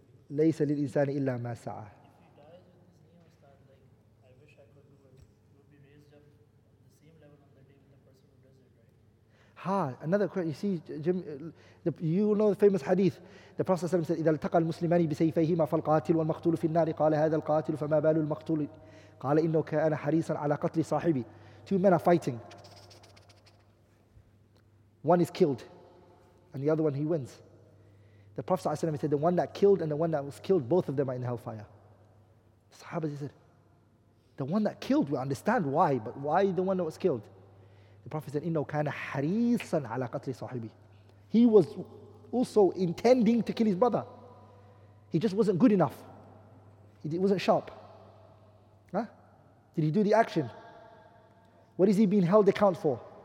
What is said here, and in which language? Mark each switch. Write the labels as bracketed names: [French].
[Arabic] لَيْسَ لِلْإِنسَانِ إِلَّا مَا سَعَى. [English] Ha, another question. You see, Jim, you know the famous hadith. The Prophet said, [Arabic] إِذَا الْتَقَى الْمُسْلِمَانِ بِسَيْفَيْهِمَا فَالْقَاتِلُ وَالْمَقْتُولُ فِي النَّارِ قَالَ هَذَا الْقَاتِلُ فَمَا بَالُ الْمَقْتُولِ قَالَ إِنَّهُ كَانَ حَرِيصًا عَلَى قَتْلِ صَاحِبِي. [English] Two men are fighting. One is killed, and the other one, he wins. The Prophet said, the one that killed and the one that was killed, both of them are in hellfire. The Sahaba said, the one that killed, we understand why, but why the one that was killed? [Arabic] The Prophet said, إِنَّهُ كَانَ حَرِيصًا عَلَىٰ قَتْلِ صَاحِبِهِ. [English] He was also intending to kill his brother. He just wasn't good enough. He wasn't sharp. Huh? Did he do the action? What is he being held account for?